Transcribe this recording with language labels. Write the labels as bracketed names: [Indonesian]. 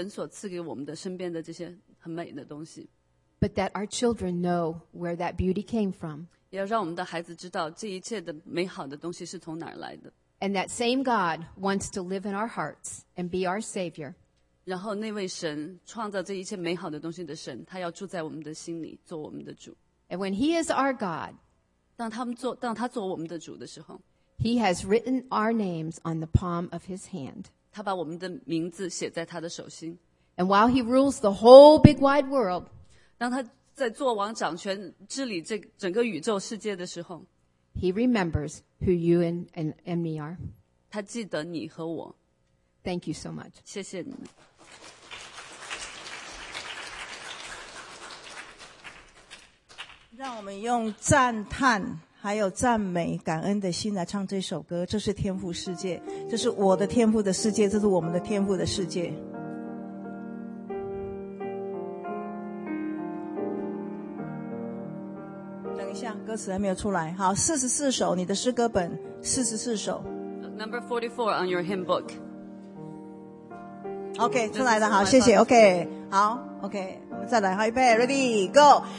[Chinese] 我们不光是要享受神所赐给我们的身边的这些很美的东西。 [English] But that our children know where that beauty came from. [Chinese] 要让我们的孩子知道这一切的美好的东西是从哪儿来的。 [English] And that same God wants to live in our hearts and be our Savior. [Chinese] 然后那位神，创造这一切美好的东西的神，他要住在我们的心里，做我们的主。 [English] And when He is our God, [Chinese] 当他做我们的主的时候， [English] He has written our names on the palm of His hand. [Chinese] 他把我们的名字写在他的手心。 [English] And while He rules the whole big wide world, [Chinese] 当他在作王掌权治理这整个宇宙世界的时候， [English] He remembers who you and me are. [Chinese] 他记得你和我。 [English] Thank you so much. [Chinese] 谢谢你。让我们用赞叹 还有赞美感恩的心来唱这首歌，这是天父世界，这是我的天父的世界，这是我们的天父的世界。等一下，歌词还没有出来。好， 44首，你的诗歌本， 44首。 [English] Number 44 on your hymn book. [Chinese] OK， 出来了，好，谢谢， OK， 好， OK， 我们再来，好，预备， [English] Ready， Go，